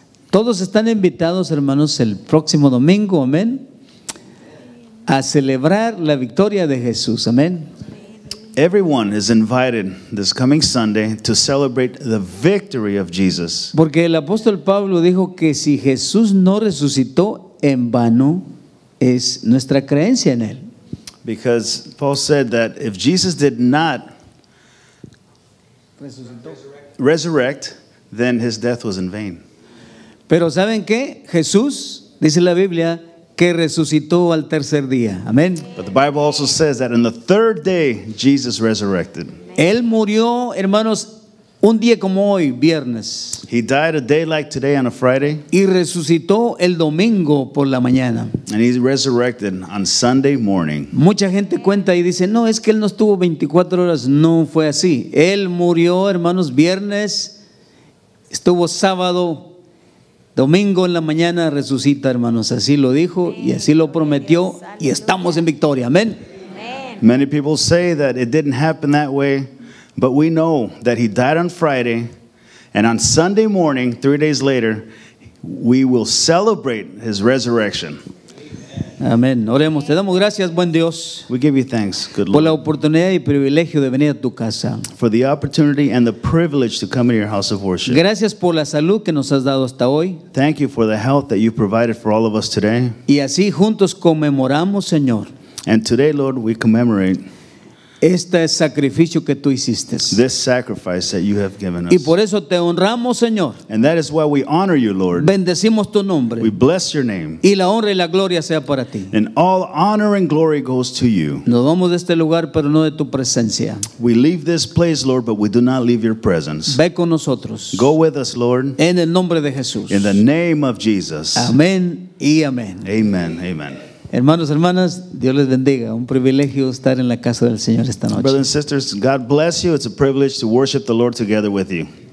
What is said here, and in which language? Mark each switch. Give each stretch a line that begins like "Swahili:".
Spanish: Todos están invitados, hermanos, el próximo domingo, amén, a celebrar la victoria de Jesús. Amén.
English: Everyone is invited this coming Sunday to celebrate the victory of Jesus.
Spanish: Porque el apóstol Pablo dijo que si Jesús no resucitó, en vano es nuestra creencia en él.
English: Because Paul said that if Jesus did not resurrect, then his death was in vain.
Spanish: Pero ¿saben qué? Jesús, dice la Biblia, que resucitó al tercer día. Amén.
English: But the Bible also says that in the third day Jesus resurrected.
Spanish: Él murió, hermanos, un día como hoy, viernes.
English: He died a day like today on a Friday.
Spanish: Y resucitó el domingo por la mañana.
English: And he resurrected on Sunday morning.
Spanish: Mucha gente cuenta y dice, "No, es que él no estuvo 24 horas, no fue así. Él murió, hermanos, viernes, estuvo sábado, domingo en la mañana resucita, hermanos." Así lo dijo y así lo prometió y estamos en victoria. Amén.
English: Many people say that it didn't happen that way, but we know that he died on Friday, and on Sunday morning, 3 days later, we will celebrate his resurrection.
Spanish: Amén. Oremos. Te damos gracias, buen Dios.
English: We give you thanks, good Lord.
Spanish: Por la oportunidad y privilegio de venir a tu casa.
English: For the opportunity and the privilege to come into your house of worship.
Spanish: Gracias por la salud que nos has dado hasta hoy.
English: Thank you for the health that you provided for all of us today.
Spanish: Y así juntos conmemoramos, Señor.
English: And today, Lord, we commemorate
Spanish: este sacrificio que tú hiciste.
English: This sacrifice that you have given us.
Spanish: Y por eso te honramos, Señor.
English: And that is why we honor you, Lord.
Spanish: Bendecimos tu nombre.
English: We bless your name.
Spanish: Y la honra y la gloria sea para ti.
English: And all honor and glory goes to you.
Spanish: Nos vamos de este lugar, pero no de tu presencia.
English: We leave this place, Lord, but we do not leave your presence.
Spanish: Ve con nosotros.
English: Go with us, Lord.
Spanish: En el nombre de Jesús.
English: In the name of Jesus.
Spanish: Amén y amén.
English: Amen, amen.
Spanish: Hermanos, hermanas, Dios les bendiga. Un privilegio estar en la casa del Señor esta noche.
English: Brothers and sisters, God bless you. It's a privilege to worship the Lord together with you.